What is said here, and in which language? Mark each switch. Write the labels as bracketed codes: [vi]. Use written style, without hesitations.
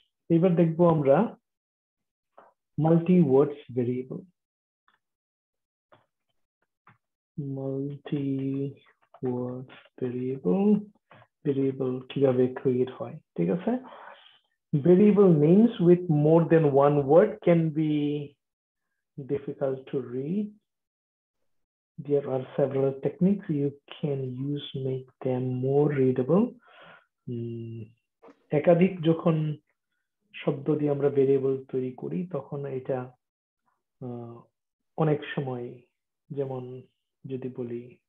[bn] এবার দেখব আমরা মাল্টি ওয়ার্ডস ভেরিয়েবল, মাল্টি ওয়ার্ডস ভেরিয়েবল, ভেরিয়েবল কিভাবে ক্রিয়েট হয়, ঠিক আছে? [en] Variable names with more than one word can be difficult to read. There are several techniques you can use to make them more readable. [bn] একাধিক যখন শব্দ দিয়ে আমরা ভেরিয়েবল তৈরি করি তখন এটা অনেক সময়, যেমন যদি বলি